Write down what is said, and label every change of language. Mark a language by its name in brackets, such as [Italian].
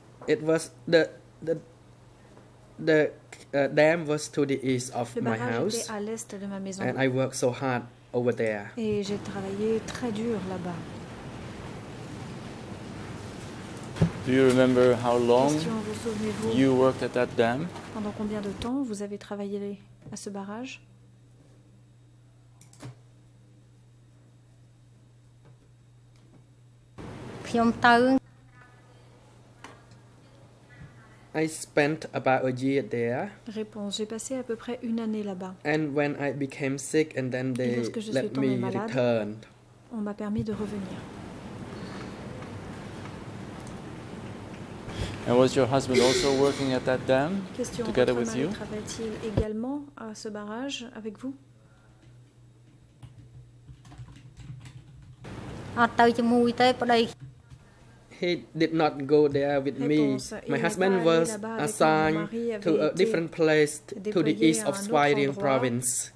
[English] It was the dam was to the east of my house. [French] Était à l'est de ma maison. [English] And I worked so hard over there. [French] Et j'ai travaillé très dur là-bas. [English] Do you remember how long you worked at that dam? [French] Pendant combien de temps vous avez travaillé à ce barrage? [English] I spent about a year there. [French] Réponse, j'ai passé à peu près une année là-bas. [English] And when I became sick and then they let me return. [French] On m'a permis de revenir. [English] And was your husband also working at that dam? [French] Question, [English] together with you? [French] Travaille-t-il également à ce barrage avec vous? [English] He did not go there with me. My husband was assigned to a different place to the east of Swairien province.